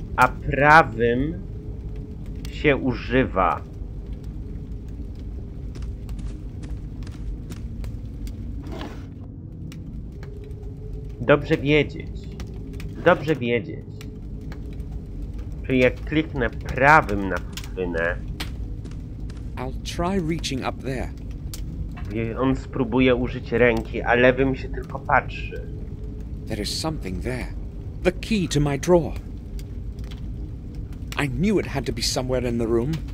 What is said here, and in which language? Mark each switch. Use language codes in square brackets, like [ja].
[pl] A prawym się używa. Dobrze wiedzieć. Dobrze wiedzieć. Czyli jak kliknę prawym na płynę. [en] I'll try reaching up there. [pl] I on spróbuje użyć ręki, a lewym się tylko patrzy. [en] There is something there. The key to my drawer. I knew it had to be somewhere in the room.